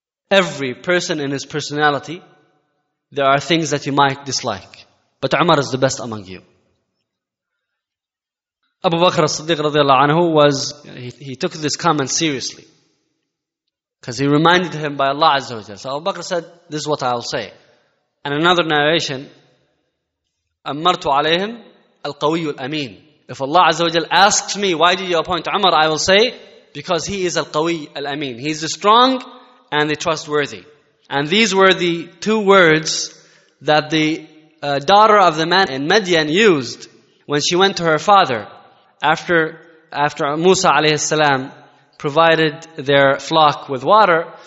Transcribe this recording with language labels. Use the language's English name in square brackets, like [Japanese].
[English] Every person in his personality, there are things that you might dislike. But Umar is the best among you. Abu Bakr as-Siddiq radiallahu anhu was, he took this comment seriously. Because he reminded him by Allah Azza wa Jal. So Abu Bakr said, this is what I will say. And another narration, [Arabic] أَمَّرْتُ عَلَيْهِمْ الْقَوِيُّ الْأَمِينَ. [English] If Allah Azza wa Jal asks me, why did you appoint Umar? I will say, because he is al-qawi al-ameen. He is the strong and the trustworthy. And these were the two words that the daughter of the man in Madian used when she went to her father after Musa alayhi salam provided their flock with water.